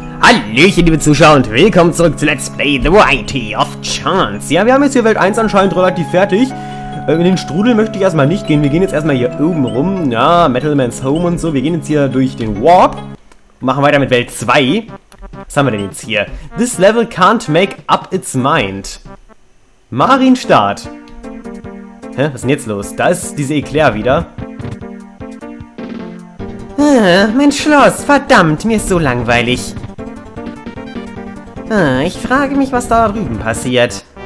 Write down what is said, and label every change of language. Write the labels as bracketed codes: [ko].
[de] Hallöchen, liebe Zuschauer, und willkommen zurück zu Let's Play The Variety of Chance. Ja, wir haben jetzt hier Welt 1 anscheinend relativ fertig. In den Strudel möchte ich erstmal nicht gehen. Wir gehen jetzt erstmal hier oben rum. Ja, Metalman's Home und so. Wir gehen jetzt hier durch den Warp. Machen weiter mit Welt 2. Was haben wir denn jetzt hier? [en] This level can't make up its mind. [de] Marienstaat. Hä, was ist denn jetzt los? Da ist diese Eclair wieder. Mein Schloss, verdammt, mir ist so langweilig. Ich frage mich, was da drüben passiert.